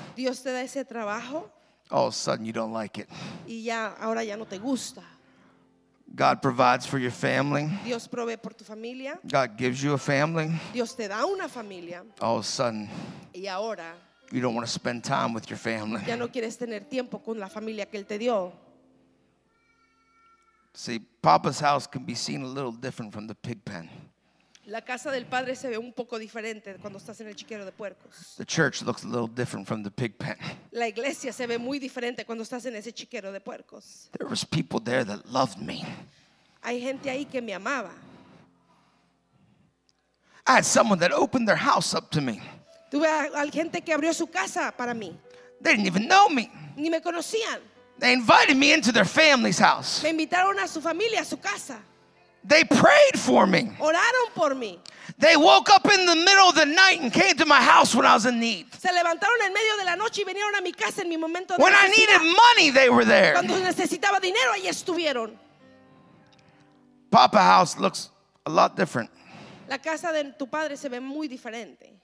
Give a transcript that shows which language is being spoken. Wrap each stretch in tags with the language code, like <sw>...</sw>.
<es>Dios te da ese trabajo.</es> <en>All of a sudden you don't like it.</en> <es>Y ya, ahora ya no te gusta.</es> <en>God provides for your family.</en> <es>Dios provee por tu familia.</es> <en>God gives you a family.</en> <es>Dios te da una familia.</es> <en>All of a sudden.</en> <es>Y ahora.</es> <en>You don't want to spend time with your family.</en> <es>Ya no quieres tener tiempo con la familia que él te dio.</es> <en>See, Papa's house can be seen a little different from the pig pen.</en> <es>La casa del padre se ve un poco diferente cuando estás en el chiquero de puercos.</es> <en>The church looks a little different from the pig pen.</en> <es>La iglesia se ve muy diferente cuando estás en ese chiquero de puercos.</es> <en>There was people there that loved me.</en> <es>Hay gente ahí que me amaba.</es> <en>I had someone that opened their house up to me.</en> <es>Tuve a gente que abrió su casa para mí.</es> <en>They didn't even know me.</en> <es>Ni me conocían.</es> <en>They invited me into their family's house.</en> <es>Me invitaron a su familia, a su casa.</es> <en>They prayed for me.</en> <es>Oraron por mí.</es> <en>They woke up in the middle of the night and came to my house when I was in need.</en> <es>Se levantaron en medio de la noche y vinieron a mi casa en mi momento de</es> <en>When</en> <es>necesidad.</es> <en>I needed money, they were there.</en> <es>Cuando necesitaba dinero, ahí estuvieron.</es> <en>Papa House looks a lot different.</en> <es>La casa de tu padre se ve muy diferente.</es>